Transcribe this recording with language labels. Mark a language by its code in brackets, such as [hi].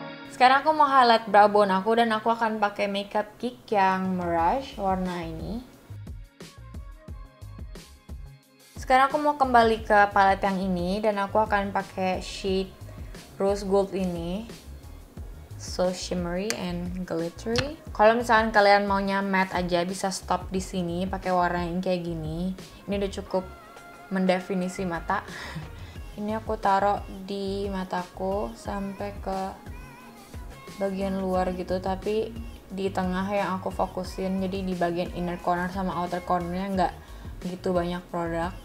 [id] Sekarang aku mau highlight brow bone aku dan aku akan pakai makeup kick yang Mirage warna ini. Sekarang aku mau kembali ke palette yang ini dan aku akan pakai shade rose gold ini. [en] So shimmery and glittery. [id] Kalau misalkan kalian maunya matte aja, bisa stop di sini pakai warna yang kayak gini. Ini udah cukup mendefinisi mata. Ini aku taruh di mataku sampai ke bagian luar gitu, tapi di tengah yang aku fokusin, jadi di bagian inner corner sama outer cornernya nggak gitu banyak produk.